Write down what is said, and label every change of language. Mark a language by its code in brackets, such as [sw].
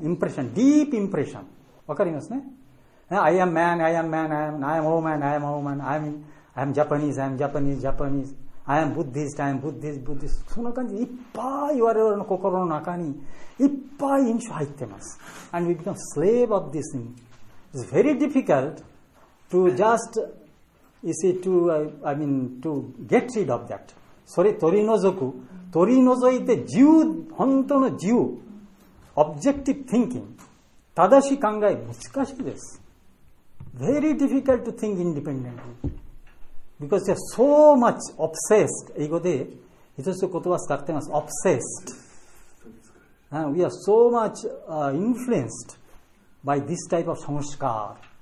[ja] インプレッション、ディープインプレッション、わかりますね。 [en] I am man, I am man, I am woman, I am woman, I am... I am Japanese, I am Japanese, Japanese. I am Buddhist, I am Buddhist, Buddhist. [ja] その感じでいっぱい我々の心の中にいっぱい印象入ってます。 [en] And we become slave of this thing. It's very difficult to just, you see, to get rid of that. [ja] それ取り除く。取り除いて自由、本当の自由。 [en] Objective thinking. [ja] 正しい考え、難しいです。 [en] Very difficult to think independently. Because you are so much obsessed. [ja] 英語で一つ言葉使ってます。 [en] Obsessed. We are so much influenced by this type of samskar.